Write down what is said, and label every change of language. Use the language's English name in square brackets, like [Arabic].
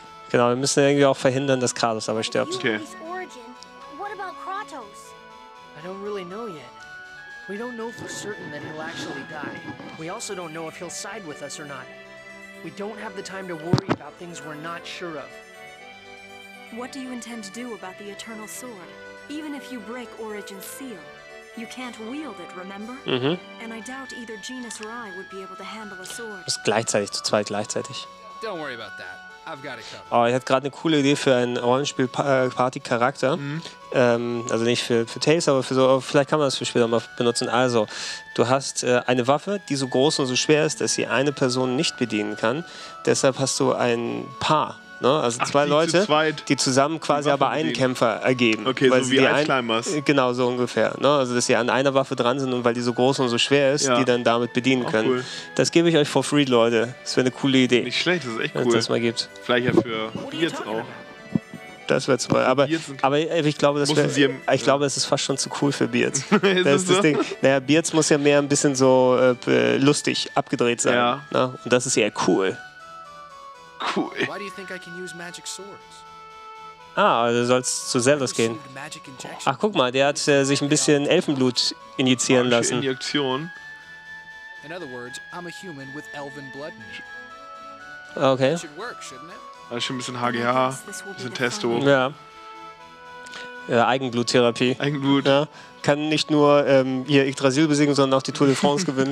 [German] Genau, wir müssen irgendwie auch verhindern, dass Kratos aber stirbt. Okay. [English] What about Kratos? I don't really know yet. We don't know for certain that he'll actually die. We also don't know if he'll side with us or not. We don't have the time to worry about things we're not sure of. What do you intend to do about the Eternal Sword? Even if you break Origin's seal. You can't wield it, remember? Mhm. And I doubt either Genus or I would be able to handle a sword. [German] Ist gleichzeitig zu zweit gleichzeitig. [English] Don't worry about that. [German] Oh, ich hatte gerade eine coole Idee für einen Rollenspiel-Party-Charakter. Mhm. Also nicht für Tales, aber für so, vielleicht kann man das für später mal benutzen. Also, du hast eine Waffe, die so groß und so schwer ist, dass sie eine Person nicht bedienen kann. Deshalb hast du ein Paar. Ne? Also zwei Leute, die zusammen quasi aber einen Kämpfer ergeben. Okay, weil so wie Ice Climbers. Genau, so ungefähr. Ne? Also dass sie an einer Waffe dran sind und weil die so groß und so schwer ist, ja, die dann damit bedienen können. Cool. Das gebe ich euch for free, Leute. Das wäre eine coole Idee. Nicht schlecht, das ist echt cool. Wenn es das mal gibt. Vielleicht ja für Beards auch. Das wäre super. Aber ich glaube, das wär, ich glaube, es ist fast schon zu cool für Beards. Das ist das Ding. Naja, Beards muss ja mehr ein bisschen so lustig abgedreht sein. Ja. Ne? Und das ist ja cool. Cool. [English] Why do you think I can use magic swords? [German] Ah, also sollst du zu Zeldos gehen. Ach, guck mal, der hat sich ein bisschen Elfenblut injizieren lassen. Injektion. [English] In other words, I'm a human with elven blood. Okay. [German] Das ist schon ein bisschen HGH, ein bisschen Testo. Ja. Eigenbluttherapie. Eigenblut. Ja. Kann nicht nur hier Yggdrasil besiegen, sondern auch die Tour de France gewinnen.